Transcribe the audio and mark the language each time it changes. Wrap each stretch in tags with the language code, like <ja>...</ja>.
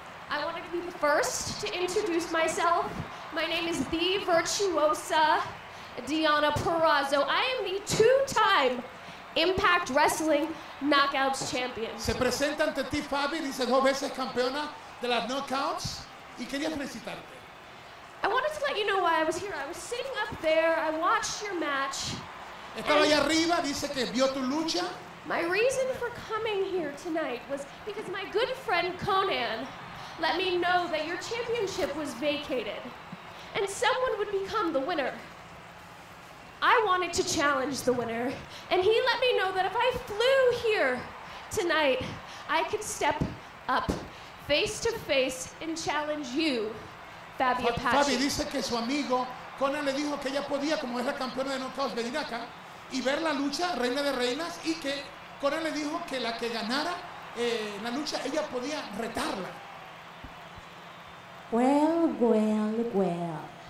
<en>I wanted to be the first to introduce myself. My name is The Virtuosa Diona Purrazzo. I am the two-time Impact Wrestling Knockouts Champion.</en> <es>Se presenta ante ti, Fabi, dice dos veces campeona de las knockouts, y quería felicitarte.</es> <en>I wanted to let you know why I was here. I was sitting up there, I watched your match.</en> <es>Estaba ahí arriba, dice que vio tu lucha.</es> <en>My reason for coming here tonight was because my good friend Conan let me know that your championship was vacated and someone would become the winner. I wanted to challenge the winner, and he let me know that if I flew here tonight, I could step up face to face and challenge you, Fabio Apache.</en> <es>Fabi dice que su amigo Conan le dijo que ella podía, como es la campeona de knockouts, venir acá y ver la lucha Reina de Reinas, y que Conan le dijo que la que ganara la lucha, ella podía retarla.</es> <en>Well, well, well.</en>